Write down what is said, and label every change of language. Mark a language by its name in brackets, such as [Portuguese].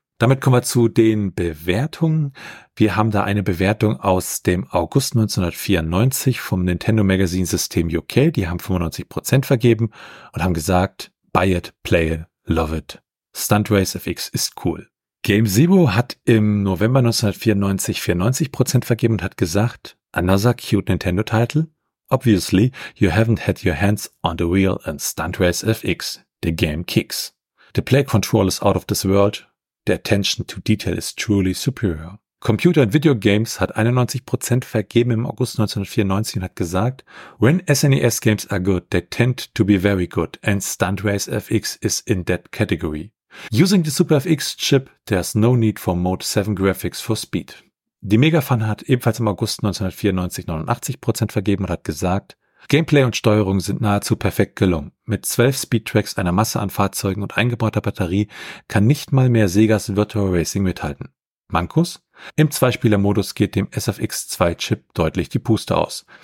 [German] Damit kommen wir zu den Bewertungen. Wir haben da eine Bewertung aus dem August 1994 vom Nintendo Magazine System UK. Die haben 95% vergeben und haben gesagt, [English] buy it, play it, love it. [German] Stunt Race FX ist cool. Game Zero hat im November 1994 94% vergeben und hat gesagt, [English] another cute Nintendo title. Obviously, you haven't had your hands on the wheel in Stunt Race FX. The game kicks. The play control is out of this world. The attention to detail is truly superior. Computer and Video Games [German] hat 91% vergeben im August 1994 und hat gesagt, [English] when SNES games are good, they tend to be very good and Stunt Race FX is in that category. Using the Super FX chip, there's no need for Mode 7 graphics for speed. [German] Die Megafun hat ebenfalls im August 1994 89% vergeben und hat gesagt, Gameplay und Steuerung sind nahezu perfekt gelungen. Mit 12 Speedtracks, einer Masse an Fahrzeugen und eingebauter Batterie kann nicht mal mehr Segas Virtual Racing mithalten. Mankus? Im Zweispieler-Modus geht dem SFX2-Chip deutlich die Puste aus.